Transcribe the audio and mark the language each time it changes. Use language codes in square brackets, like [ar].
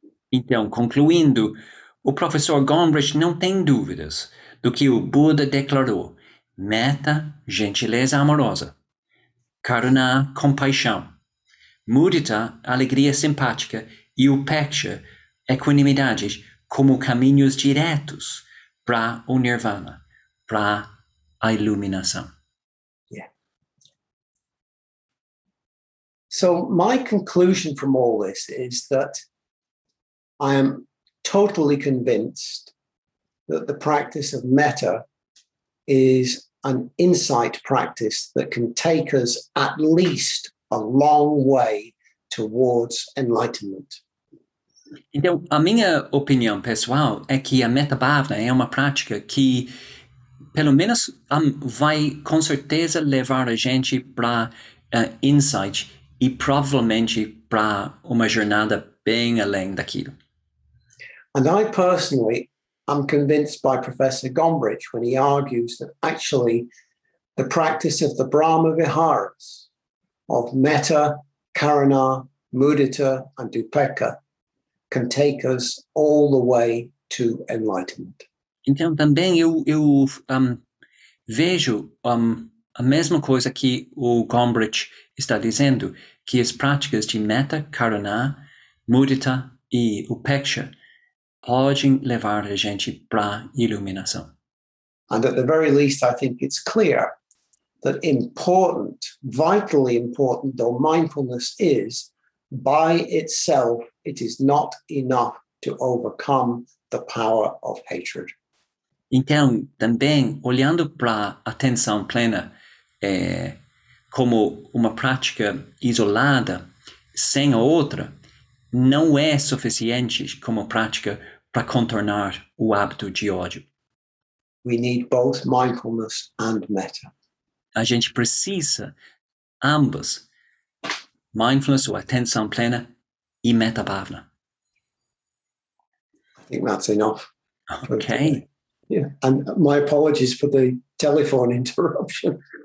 [pt] Então, concluindo, o professor Gombrich não tem dúvidas do que o Buda declarou: metta, gentileza amorosa, karuna, compaixão, mudita, alegria simpática, e upekkha, equanimidade, como caminhos diretos para o nirvana, para a iluminação. [en] Yeah. So, my conclusion from all this is that I am totally convinced that the practice of metta is an insight practice that can take us at least a long way towards enlightenment. [pt] Então, a minha opinião pessoal é que a metta bhavana é uma prática que, pelo menos, vai com certeza levar a gente para insight e provavelmente para uma jornada bem além daquilo. [en] And I personally am convinced by Professor Gombrich when he argues that actually the practice of the Brahma Viharas, of metta, karuna, mudita, and upekkha, can take us all the way to enlightenment. [pt] Então, também eu vejo a mesma coisa que o Gombrich está dizendo, que as práticas de metta, karuna, mudita e upekkha podem levar a gente para iluminação. [en] And at the very least, I think it's clear that important, vitally important, though mindfulness is, by itself, it is not enough to overcome the power of hatred. [pt] Então, também, olhando para a atenção plena como uma prática isolada, sem a outra, não é suficiente como prática para contornar o hábito de ódio. [en] We need both mindfulness and metta. [pt] A gente precisa ambas, mindfulness ou atenção plena e metta bhavana. [en] I think that's enough for today. Ok. Yeah, and my apologies for the telephone interruption.